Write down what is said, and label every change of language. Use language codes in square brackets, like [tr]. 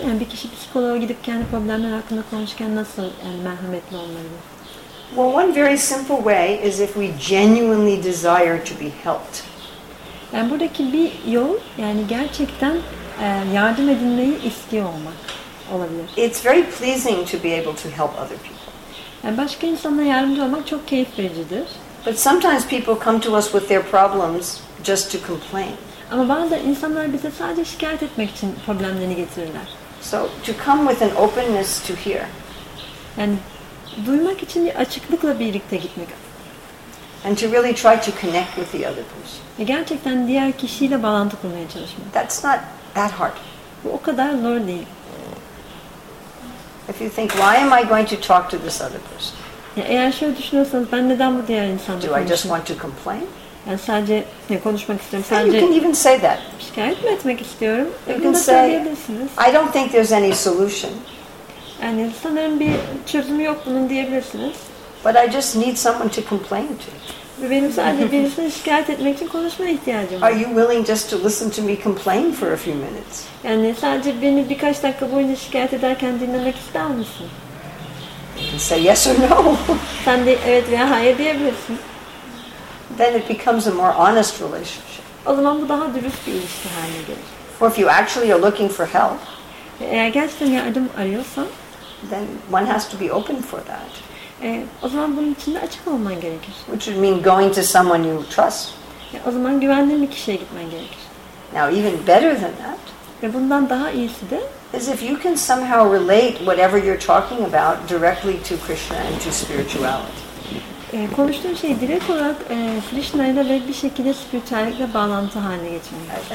[tr] Yani bir kişi psikoloğa gidip kendi problemleri hakkında konuşurken nasıl yani merhametli olmalı? [en] Well, one very simple way is if we genuinely desire to be helped. [tr] Yani buradaki bir yol, yani gerçekten yardım edilmeyi istiyor olmak olabilir. [en] It's very pleasing to be able to help other people. [tr] Yani başka insanlara yardımcı olmak çok keyif vericidir. [en] But sometimes people come to us with their problems just to complain. [tr] Ama bazen insanlar bize sadece şikayet etmek için problemlerini getirirler. [en] So to come with an openness to hear. [tr] Yani duymak için bir açıklıkla birlikte gitmek. [en] And to really try to connect with the other person. [tr] Gerçekten diğer kişiyle bağlantı kurmaya çalışmak. [en] That's not that hard. [tr] Bu o kadar zor değil. [en] If you think, why am I going to talk to this other person? [tr] Ya eğer şöyle düşünüyorsanız, ben neden bu diğer insanla konuşayım? [en] Do I just want to complain? [tr] Yani sadece ne konuşmak istiyorum? Sadece [en] you can even say that. [tr] Şikayet mi etmek istiyorum? [en] You can say, I don't think there's any solution. [tr] Yani sanırım bir çözüm yok bunun diyebilirsiniz. [en] But I just need someone to complain to. [tr] Benim sadece birisine şikayet etmek için konuşmaya ihtiyacım var. [en] Are you willing just to listen to me complain for a few minutes? [tr] Yani sadece beni birkaç dakika boyunca şikayet ederken dinlemek ister misin? [en] And say yes or no. [tr] Sen de evet veya hayır diyebilirsin. [en] Then it becomes a more honest relationship. [tr] O zaman bu daha dürüst bir ilişki haline gelir. [en] Or if you actually are looking for help. [tr] Eğer gerçekten yardım arıyorsan. [en] Then one has to be open for that. [tr] O zaman bunun içinde açık olman gerekir. [en] Which would mean going to someone you trust. [tr] O zaman güvenli bir kişiye gitmen gerekir. [en] Now even better than that. [tr] Ve bundan daha iyisi de. [en] Is if you can somehow relate whatever you're talking about directly to Krishna and to spirituality. [tr] Konuştuğun şeyi direkt olarak Krishna'yla ve bir şekilde spiritüellikle bağlantı haline geçirmek.